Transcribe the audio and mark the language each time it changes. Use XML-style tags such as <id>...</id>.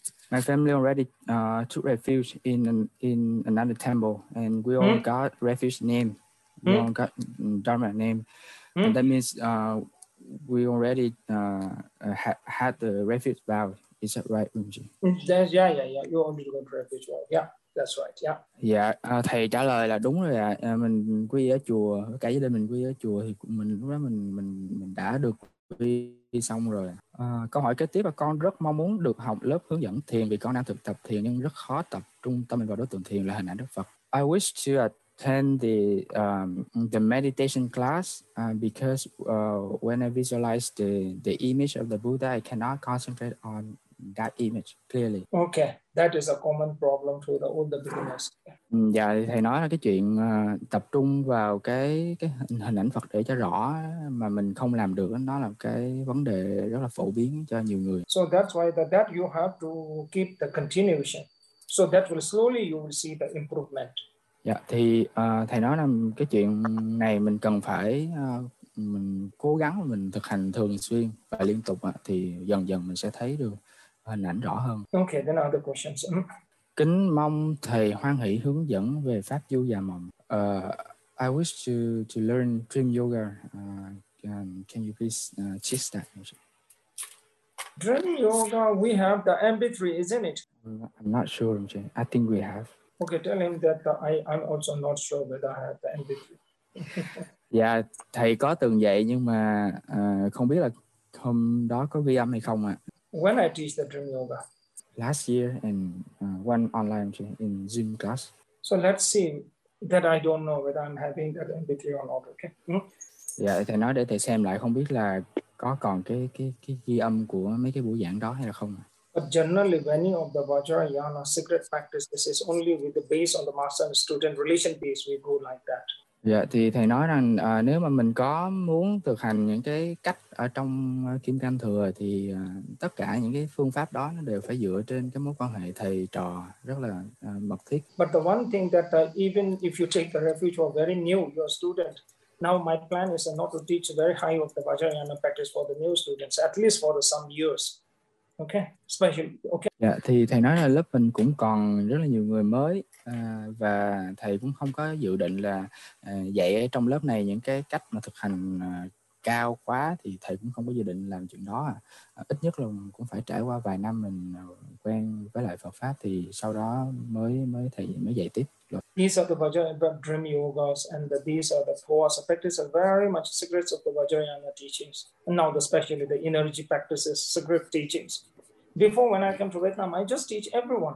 <en>My family already took refuge in another temple, and we all got refuge name. We all got Dharma name. And that means we already had the refuge vow. Is that right, Lunche? Yeah. You already got refuge vow. Yeah. That's right. Yeah.</en> <vi>Dạ, thầy trả lời là đúng rồi ạ. À. Mình quy ở chùa, cả gia đình mình quy ở chùa thì mình lúc đó mình đã được quy xong rồi. Câu hỏi kế tiếp là con rất mong muốn được học lớp hướng dẫn thiền vì con đang thực tập thiền nhưng rất khó tập trung tâm vào đối tượng thiền là hình ảnh Đức Phật.</vi> <en>I wish to attend the meditation class because when I visualize the image of the Buddha, I cannot concentrate on that image clearly. Okay, that is a common problem to the older beginners.</en> <vi>Dạ, thầy nói là cái chuyện tập trung vào cái hình ảnh Phật để cho rõ mà mình không làm được, nó là cái vấn đề rất là phổ biến cho nhiều người.</vi> <en>So that's why that you have to keep the continuation. So that will slowly you will see the improvement.</en> <vi>Dạ, thì thầy nói là cái chuyện này mình cần phải mình cố gắng, mình thực hành thường xuyên và liên tục thì dần dần mình sẽ thấy được hình ảnh rõ hơn.</vi> <en>Okay, then other questions.</en> <vi>Kính mong thầy hoan hỷ hướng dẫn về pháp du già mộng.</vi> <en>I wish to learn dream yoga. Can you please teach that? Dream yoga, we have the MP3, isn't it? I'm not sure, Mr. I think we have. Okay, tell him that I'm also not sure whether I have the MP3.</en> <vi>Dạ, thầy có từng dạy nhưng mà không biết là hôm đó có ghi âm hay không ạ.</vi> <en>When I teach the dream yoga? Last year and one online in Zoom class. So let's see that I don't know whether I'm having that MP3 or not, okay?</en> <vi>Dạ, thầy nói để thầy xem lại không biết là có còn cái ghi âm của mấy cái buổi giảng đó hay là không.</vi> <en>But generally, many of the Vajrayana secret practices is only with the base on the master and student relation base, we go like that.</en> <vi>Dạ, thì thầy nói rằng nếu mà mình có muốn thực hành những cái cách ở trong Kim Cang Thừa thì tất cả những cái phương pháp đó nó đều phải dựa trên cái mối quan hệ thầy trò rất là mật thiết.</vi> <en>But the one thing that even if you take the refuge for very new, your student, now my plan is not to teach very high of the Vajrayana practice for the new students, at least for some years. Okay, especially okay.</en> <vi>Dạ, thì thầy nói là lớp mình cũng còn rất là nhiều người mới và thầy cũng không có dự định là dạy ở trong lớp này những cái cách mà thực hành cao quá, thì thầy cũng không có dự định làm chuyện đó. Ít nhất là cũng phải trải qua vài năm mình quen với lại Phật pháp thì sau đó mới dạy tiếp.</vi> <en>These are the Vajrayana dream yogas and these are the four practices are very much secrets of the Vajrayana teachings. And now especially the energy practices, secret teachings. Before when I came to Vietnam, I just teach everyone.</en>